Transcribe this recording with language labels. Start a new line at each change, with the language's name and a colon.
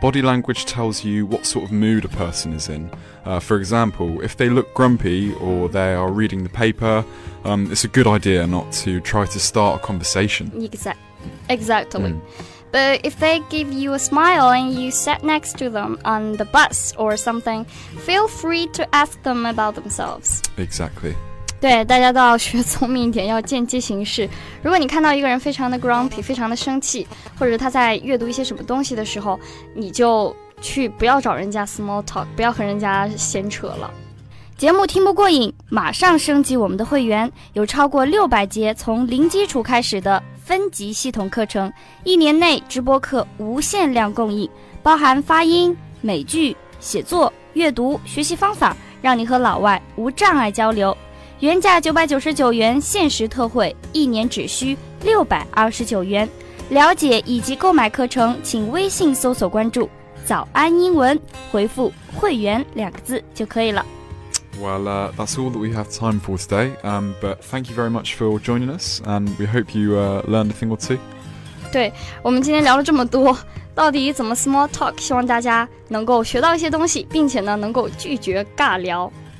English: Body language tells you what sort of mood a person is in. For example, if they look grumpy or they are reading the paper, it's a good idea not to try to start a conversation. Exactly. But if they give you a smile and you sat next to them on the bus or something, feel free to ask them about themselves. Exactly.
Chinese: 对，大家都要学聪明一点，要见机行事。如果你看到一个人非常的 grumpy， 非常的生气，或者他在阅读一些什么东西的时候，你就去不要找人家 small talk， 不要和人家闲扯了。节目听不过瘾，马上升级我们的会员，有超过600节从零基础开始的分级系统课程，一年内直播课无限量供应，包含发音、美剧、写作、阅读、学习方法，让你和老外无障碍交流。原价999元，限时特惠，一年只需629元。了解以及购买课程，请微信搜索关注“早安英文”，回复“会员”两个字就可以了。
English: Well, that's all that we have time for today. But thank you very much for joining us, and we hope you learned a thing or two.
Chinese: 对，我们今天聊了这么多，到底怎么 small talk？希望大家能够学到一些东西，并且呢，能够拒绝尬聊。